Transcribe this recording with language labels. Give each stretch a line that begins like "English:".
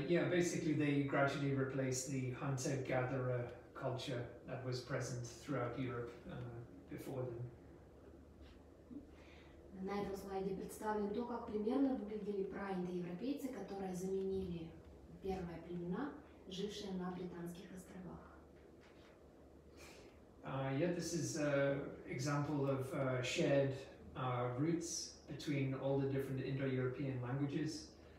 English: Basically they gradually replaced the hunter-gatherer culture that was present throughout Europe before them.
Russian: На этом слайде представлен то, как примерно выглядели праиндоевропейцы, которые заменили первые племена, жившие на Британских островах.
English: This is an example of shared roots between all the different Indo-European languages.